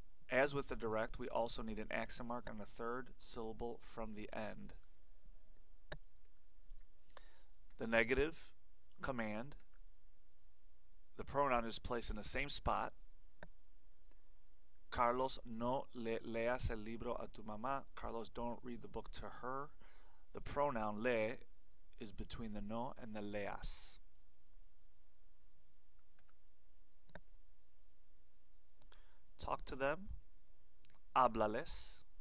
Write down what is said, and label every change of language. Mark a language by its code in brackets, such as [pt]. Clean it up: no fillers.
[en] As with the direct, we also need an accent mark on the third syllable from the end. The negative command, the pronoun is placed in the same spot. [es] Carlos, no le leas el libro a tu mamá. [en] Carlos, don't read the book to her. The pronoun le is between the no and the leas. Talk to them. [es] Háblales.